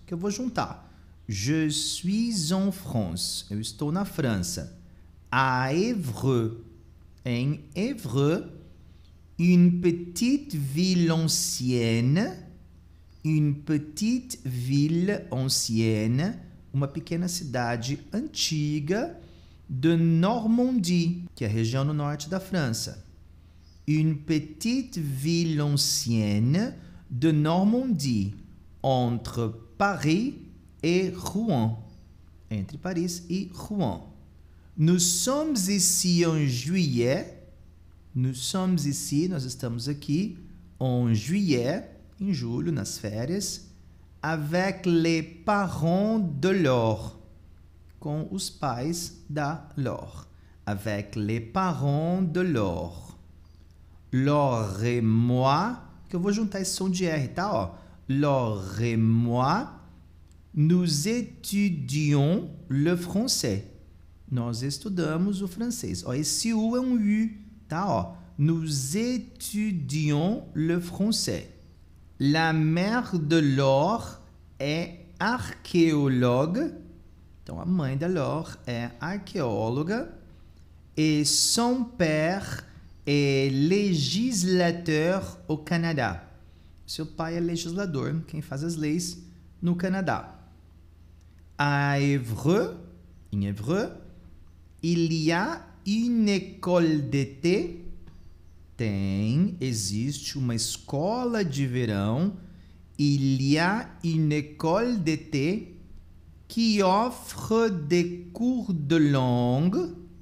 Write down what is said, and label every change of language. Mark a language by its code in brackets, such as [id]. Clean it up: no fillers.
[pt] Que eu vou juntar. [fr] Je suis en France. [pt] Eu estou na França. [fr] À Évreux. [pt] Em Évreux. [fr] Une petite ville ancienne. Une petite ville ancienne. [pt] Uma pequena cidade antiga. [fr] De Normandie, [pt] que é a região no norte da França. [fr] Une petite ville ancienne de Normandie, entre Paris et Rouen. [pt] Entre Paris e Rouen. [fr] Nous sommes ici en juillet. Nous sommes ici, [pt] nós estamos aqui, [fr] en juillet, [pt] em julho, nas férias, [fr] avec les parents de Laure. [pt] Com os pais da Laure. [fr] Avec les parents de Laure. Laure et moi, [pt] que eu vou juntar esse som de R, tá? Ó. [fr] Laure et moi, nous étudions le français. [pt] Nós estudamos o francês. Ó, esse U é um U, tá? Ó. [fr] Nous étudions le français. La mère de Laure est archéologue. [pt] Então, a mãe da Laure é arqueóloga. [fr] Et son père [pt] é legislateur au Canadá. Seu pai é legislador, quem faz as leis no Canadá. [fr] À Évreux, [pt] em Évreux, [fr] il y a une école d'été. [pt] Existe uma escola de verão. [fr] Il y a une école d'été qui offre des cours de langue.